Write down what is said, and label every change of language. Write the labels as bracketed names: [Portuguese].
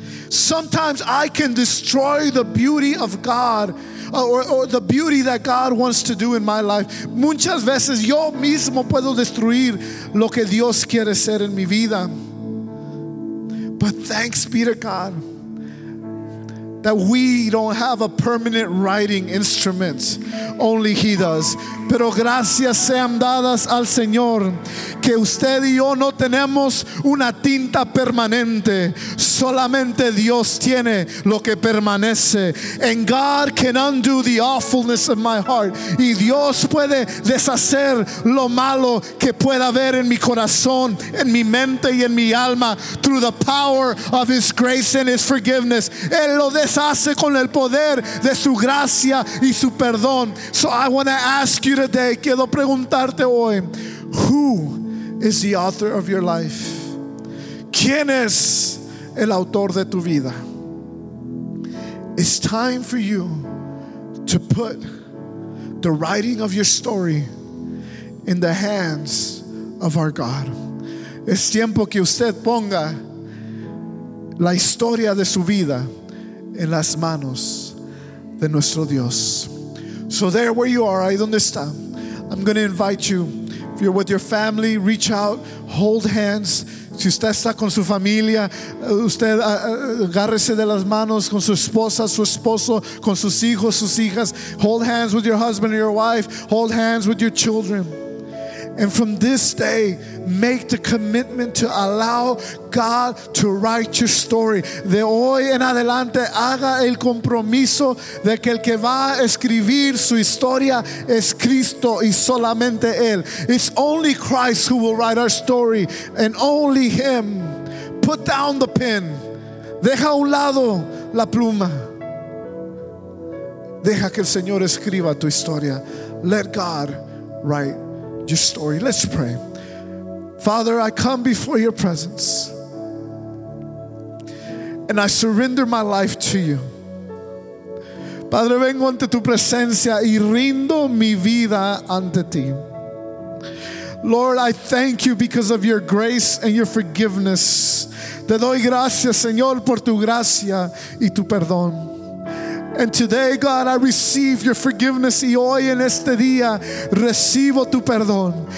[English] Sometimes I can destroy the beauty of God, or the beauty that God wants to do in my life. [Spanish] Muchas veces yo mismo puedo destruir lo que Dios quiere ser en mi vida. [English] But thanks be to God that we don't have a permanent writing instrument, only He does. [Spanish] Pero gracias sean dadas al Señor que usted y yo no tenemos una tinta permanente. Solamente Dios tiene lo que permanece. [English] And God can undo the awfulness of my heart. [Spanish] Y Dios puede deshacer lo malo que pueda haber en mi corazón, en mi mente y en mi alma, [English] through the power of His grace and His forgiveness. [Spanish] Él lo deshace con el poder de su gracia y su perdón. [English] So I want to ask you today, [Spanish] quiero preguntarte hoy, [English] who is the author of your life? [Spanish] ¿Quién es el autor de tu vida? [English] It's time for you to put the writing of your story in the hands of our God. [Spanish] Es tiempo que usted ponga la historia de su vida en las manos de nuestro Dios. [English] So there where you are, [Spanish] ahí donde está, [English] I'm going to invite you. If you're with your family, reach out, hold hands. [Spanish] Si usted está con su familia, usted agárrese de las manos con su esposa, su esposo, con sus hijos, sus hijas. [English] Hold hands with your husband or your wife. Hold hands with your children. And from this day, make the commitment to allow God to write your story. [Spanish] De hoy en adelante, haga el compromiso de que el que va a escribir su historia es Cristo y solamente Él. [English] It's only Christ who will write our story, and only Him. Put down the pen. [Spanish] Deja a un lado la pluma. Deja que el Señor escriba tu historia. [English] Let God write your story. Let's pray. Father, I come before your presence and I surrender my life to you. [Spanish] Padre, vengo ante tu presencia y rindo mi vida ante ti. [English] Lord, I thank you because of your grace and your forgiveness. [Spanish] Te doy gracias, Señor, por tu gracia y tu perdón. [English] And today, God, I receive your forgiveness. [Spanish] Y hoy en este día recibo tu perdón.